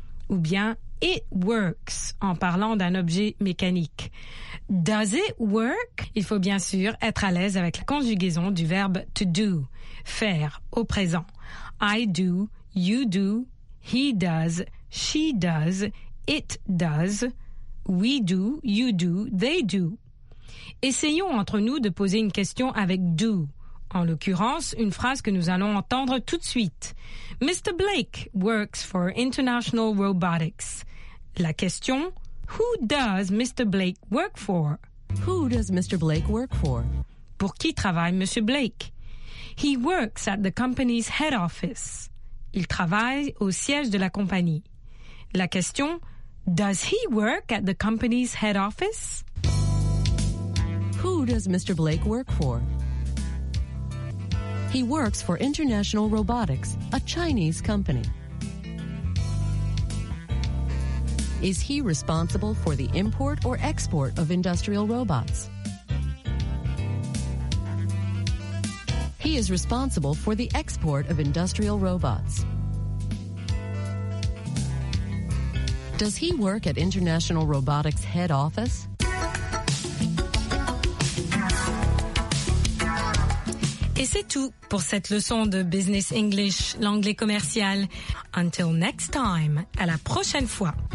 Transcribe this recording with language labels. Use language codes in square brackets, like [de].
[fr] Ou bien, [en] it works, [fr] en parlant d'un objet mécanique. [en] Does it work? [fr] Il faut bien sûr être à l'aise avec la conjugaison du verbe to do, faire, au présent. [en] I do, you do, he does, she does, it does, we do, you do, they do. [fr] Essayons entre nous de poser une question avec « do », en l'occurrence, une phrase que nous allons entendre tout de suite. [en] « Mr. Blake works for International Robotics ». [fr] La question « [en] Who does Mr. Blake work for ?»« Who does Mr. Blake work for ?» [fr] Pour qui travaille Monsieur Blake ?« [en] He works at the company's head office ». [fr] Il travaille au siège de la compagnie. La question [en] « Does he work at the company's head office ?» Who does Mr. Blake work for? He works for International Robotics, a Chinese company. Is he responsible for the import or export of industrial robots? He is responsible for the export of industrial robots. Does he work at International Robotics head office? [fr] Et c'est tout pour cette leçon de Business English, l'anglais commercial. [en] Until next time, [fr] à la prochaine fois.